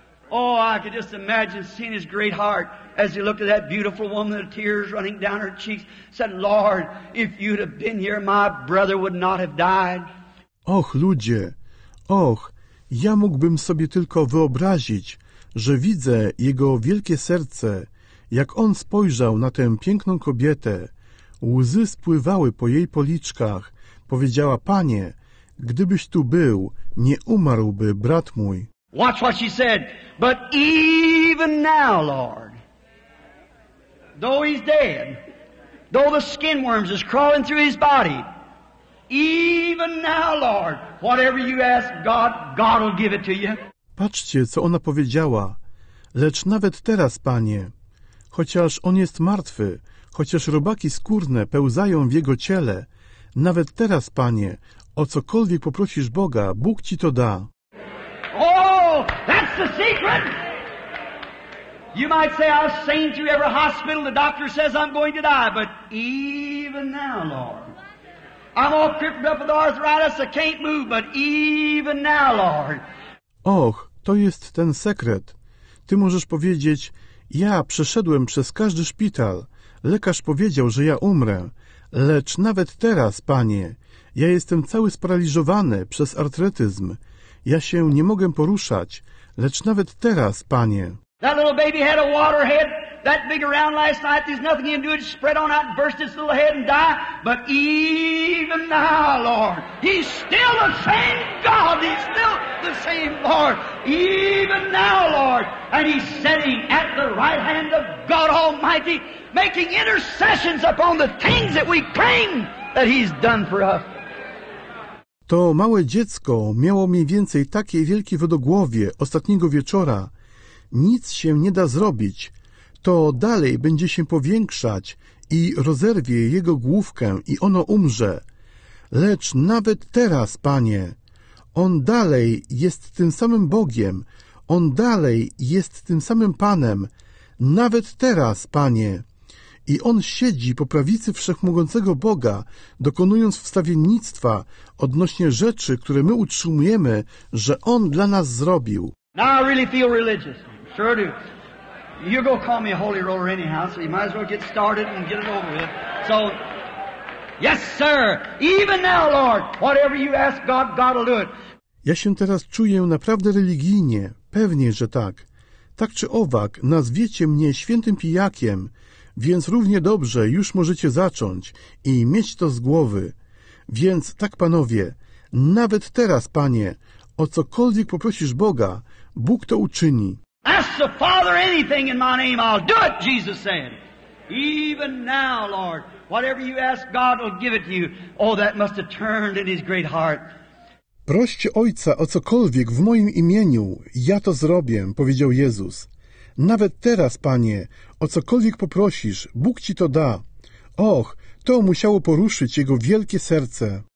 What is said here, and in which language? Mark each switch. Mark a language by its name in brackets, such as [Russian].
[English] Oh, I could just imagine seeing his great heart as he looked at that beautiful woman, the tears running down her cheeks, said, Lord, if you'd have been here, my brother would not have died. [Polish] Och, ludzie, och, ja mógłbym sobie tylko wyobrazić, że widzę jego wielkie serce, jak on spojrzał na tę piękną kobietę. Łzy spływały po jej policzkach. Powiedziała, Panie, gdybyś tu był, nie umarłby brat mój. [English] Watch what she said. But even now, Lord, though he's dead, though the skin worms is crawling through his body, even now, Lord, whatever you ask God, God will give it to you. [Polish] Patrzcie, co ona powiedziała. Lecz nawet teraz, Panie, chociaż on jest martwy, chociaż robaki skórne pełzają w jego ciele, nawet teraz, Panie, o cokolwiek poprosisz Boga, Bóg ci to da. [English] Oh, that's the secret! You might say I've seen through every hospital, the doctor says I'm going to die, but even now, Lord, I'm all crippled up with arthritis, I can't move, but even now, Lord, [Polish] och, to jest ten sekret. Ty możesz powiedzieć, ja przeszedłem przez każdy szpital. Lekarz powiedział, że ja umrę. Lecz nawet teraz, Panie, ja jestem cały sparaliżowany przez artretyzm. Ja się nie mogę poruszać. Lecz nawet teraz, Panie. [English] That little baby had a water head that big around last night. There's nothing he can do to spread on out and burst his little head and die. But even now, Lord, he's still the same God. He's still the same Lord. Even now, Lord. And he's sitting at the right hand of God Almighty, making intercessions upon the things that we claim that he's done for us. [Polish] To małe dziecko miało mniej więcej takie wielkie wodogłowie ostatniego wieczora. Nic się nie da zrobić. To dalej będzie się powiększać i rozerwie jego główkę i ono umrze. Lecz nawet teraz, Panie, on dalej jest tym samym Bogiem. On dalej jest tym samym Panem. Nawet teraz, Panie. I on siedzi po prawicy Wszechmogącego Boga, dokonując wstawiennictwa odnośnie rzeczy, które my utrzymujemy, że on dla nas zrobił. [English] Now I really feel religious. Sure do. You go call me a holy roller anyhow, so you might as well get started and get it over with. So, yes, sir. Even now, Lord, whatever you ask God, God will do it. [Polish] Ja się teraz czuję naprawdę religijnie. Pewnie, że tak. Tak czy owak, nazwiecie mnie świętym pijakiem, więc równie dobrze już możecie zacząć i mieć to z głowy. Więc tak, panowie, nawet teraz, panie, o cokolwiek poprosisz Boga, Bóg to uczyni. [English] Ask the Father anything in my name, I'll do it, Jesus said. Even now, Lord, whatever you ask, God will give it to you. Oh, that must have turned in his great heart. [Polish] Proście Ojca o cokolwiek w moim imieniu, ja to zrobię, powiedział Jezus. Nawet teraz, Panie, o cokolwiek poprosisz, Bóg ci to da. Och, to musiało poruszyć jego wielkie serce.